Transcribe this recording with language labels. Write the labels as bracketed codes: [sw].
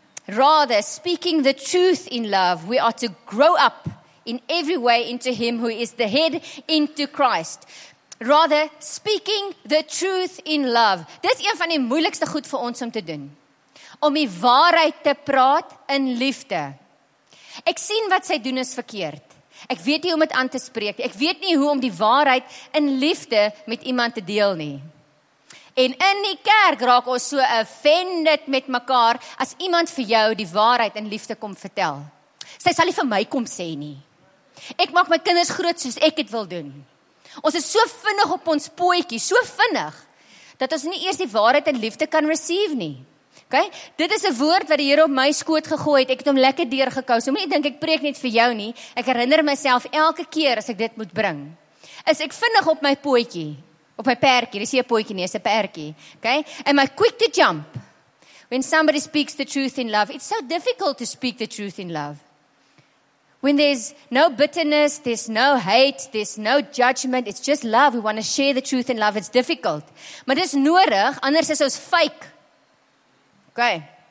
[en] Rather, speaking the truth in love, we are to grow up in every way into him who is the head, into Christ. Rather, speaking the truth in love. [af] Dit is een van die moeilikste goed vir ons om te doen. Om die waarheid te praat in liefde. Ek sien wat sy doen is verkeerd. Ek weet nie hoe om dit aan te spreek. Ek weet nie hoe om die waarheid in liefde met iemand te deel nie. En in die kerk raak ons so offended met mekaar as iemand vir jou die waarheid in liefde kom vertel. Sy sal nie vir my kom sê nie. Ek maak my kinders groot soos ek het wil doen. Ons is so vinnig op ons pootjie, so vinnig, dat ons nie eers die waarheid en liefde kan receive nie. Okay? Dit is 'n woord wat die Here op my skoot gegooi het. Ek het hom lekker deurgekou. So moenie dink ek preek net vir jou nie. Ek herinner myself elke keer as ek dit moet bring. Is ek vinnig op my pootjie, op my perkie. Dis nie 'n pootjie nie, dis 'n perkie. [en] Okay? Am I quick to jump? When somebody speaks the truth in love, it's so difficult to speak the truth in love. When there's no bitterness, there's no hate, there's no judgment, it's just love. We want to share the truth in love. It's difficult. Maar dis nodig, anders is ons fake. Okay.